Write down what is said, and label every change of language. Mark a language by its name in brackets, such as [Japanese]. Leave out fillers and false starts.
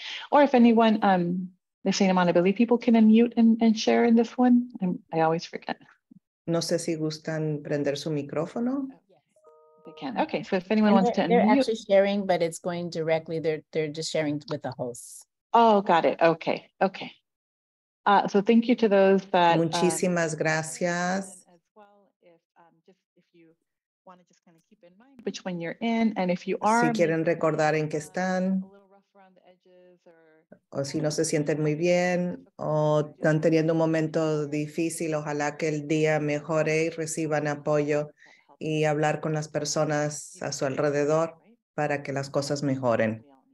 [English] Or if anyone, the same amount of ability people can unmute and share in this one. I always forget. [Spanish] No sé si gustan prender su micrófono. [English] Okay, so if anyone wants to unmute. They're actually sharing, but it's going directly. They're just sharing with the host. Oh, got it. Okay, okay. So thank you to those that. [Spanish] Muchísimas gracias. [English] As well, if you want to just kind of keep in mind which one you're in, and if you are. [Spanish] Si quieren recordar en qué están. [English] A little rough around the edges, [Spanish] o si no se sienten muy bien, o están teniendo un momento difícil, ojalá que el día mejore y reciban apoyo. Y hablar con las personas a su alrededor para que las cosas mejoren.